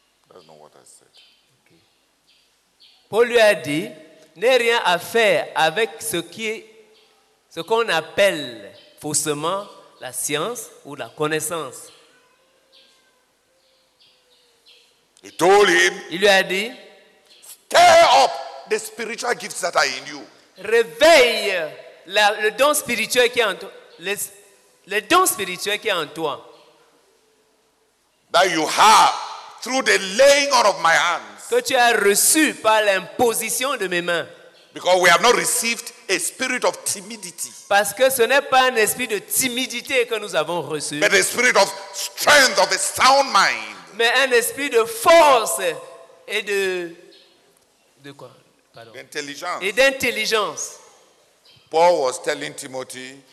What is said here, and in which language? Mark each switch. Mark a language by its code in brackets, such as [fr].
[en] That's not what I said. Okay. [fr] Paul lui a dit, n'a rien à faire avec ce qu'on appelle faussement la science ou la connaissance. [en] He told him, [fr] il lui a dit, [en] stir up the spiritual gifts that are in you. [fr] Réveille le don spirituel qui est en toi. Le don spirituel qui est en toi. [en] That you have through the laying on of my hands. [fr] Que tu as reçu par l'imposition de mes mains. [en] Because we have not received a spirit of timidity. [fr] Parce que ce n'est pas un esprit de timidité que nous avons reçu. [en] But a spirit of strength of a sound mind. [fr] Mais un esprit de force et de quoi? Pardon. D'intelligence. Et d'intelligence. [en] Paul was telling Timothy.